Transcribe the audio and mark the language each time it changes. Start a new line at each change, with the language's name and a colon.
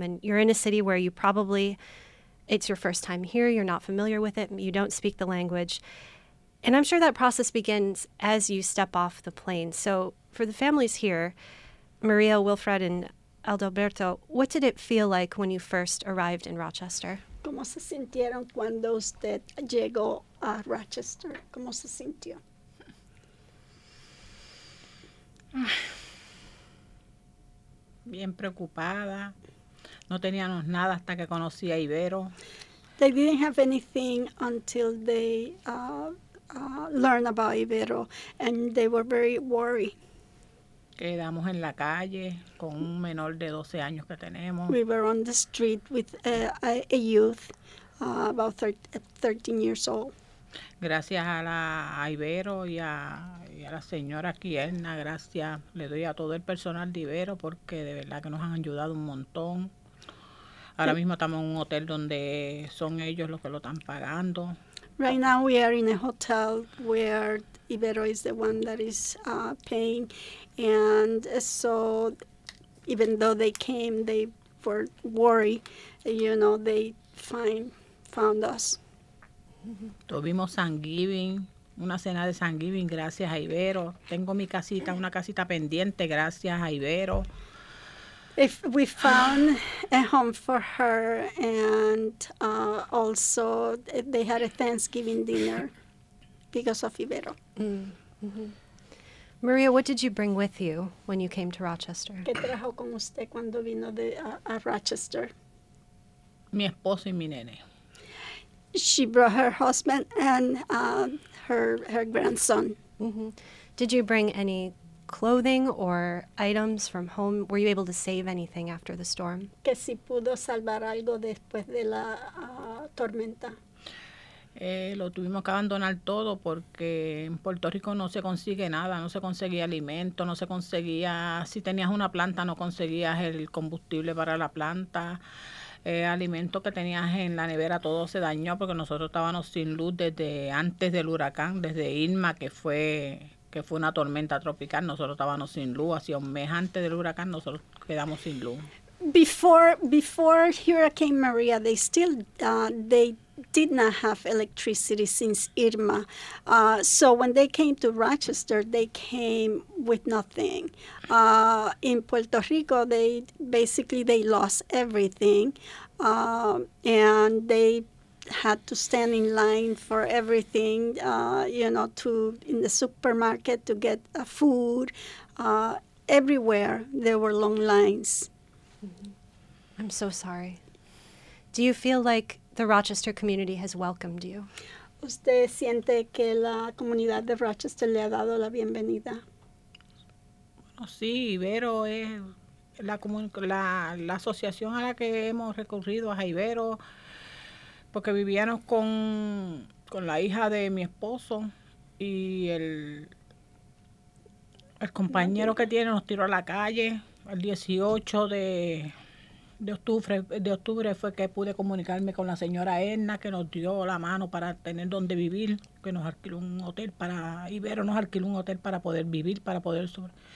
English: And you're in a city where you probably, it's your first time here, you're not familiar with it, you don't speak the language. And I'm sure that process begins as you step off the plane. So for the families here, Maria, Wilfred, and Adalberto, what did it feel like when you first arrived in Rochester?
Spanish: ¿Cómo se sintieron cuando usted llegó a Rochester? ¿Cómo se sintió? Bien preocupada. No teníamos nada hasta que conocí a Ibero.
English: They didn't have anything until they learned about Ibero, and they were very worried.
Spanish: Quedamos en la calle con un menor de 12 años que tenemos.
English: We were on the street with a youth about 13 years old.
Spanish: Gracias a la a Ibero y a la señora Kierna, gracias le doy a todo el personal de Ibero porque de verdad que nos han ayudado un montón. Ahora mismo estamos en un hotel donde son ellos los que lo están pagando.
English: Right now we are in a hotel where Ibero is the one that is paying, and so even though they came, they were worried, you know, they found us.
Spanish: Tuvimos Thanksgiving. Una cena de Thanksgiving gracias a Ibero. Tengo mi casita, una casita pendiente gracias a Ibero.
English: If we found a home for her, and also they had a Thanksgiving dinner because of Ibero. Mm-hmm. Maria, what did you bring with you when you came to Rochester?
Spanish: ¿Qué trajo con usted cuando vino de a Rochester? Mi esposo y mi nene.
English: She brought her husband and her grandson. Mm-hmm. Did you bring any clothing or items from home? Were you able to save anything after the storm?
Spanish: Que si pudo salvar algo después de la tormenta. Lo tuvimos que abandonar todo porque en Puerto Rico no se consigue nada, no se conseguía alimento, no se conseguía, si tenías una planta no conseguías el combustible para la planta. Alimento que tenías en la nevera, todo se dañó porque nosotros estábamos sin luz desde antes del huracán, desde Irma, que fue una tormenta tropical. Nosotros estábamos sin luz. Hacía un mes antes del huracán, nosotros quedamos sin luz.
English: Before Hurricane Maria, they still they did not have electricity since Irma. So when they came to Rochester, they came with nothing. In Puerto Rico, they lost everything, and they had to stand in line for everything, in the supermarket to get food. Everywhere there were long lines. I'm so sorry. Do you feel like the Rochester community has welcomed you?
Spanish: ¿Usted siente que la comunidad de Rochester le ha dado la bienvenida? Bueno, sí, Ibero es la asociación a la que hemos recurrido, a Ibero, porque vivíamos con la hija de mi esposo y el compañero que tiene nos tiró a la calle el 18 de octubre fue que pude comunicarme con la señora Erna, que nos dio la mano para tener donde vivir, que nos alquiló un hotel para, Ibero nos alquiló un hotel para poder vivir, para poder sobre.